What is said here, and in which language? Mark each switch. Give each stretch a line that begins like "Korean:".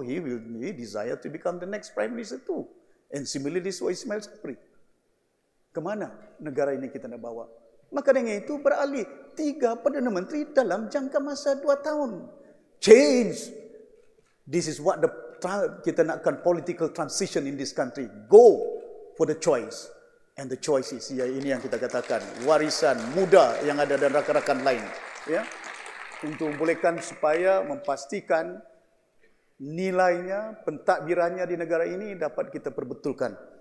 English: He will really desire to become the next Prime Minister too. And similarly this way
Malay: Ismail Sabri. Kemana negara ini kita nak bawa? Maka dengan itu beralih 3 Perdana Menteri dalam jangka masa 2 tahun.
English: Change. This is what
Malay: kita nakkan
English: political transition in this country. Go for the choice. And the choice is,
Malay: ya, ini yang kita katakan, warisan muda yang ada dan rakan-rakan lain. Ya, untuk bolehkan supaya memastikan nilainya, pentadbirannya di negara ini dapat kita perbetulkan.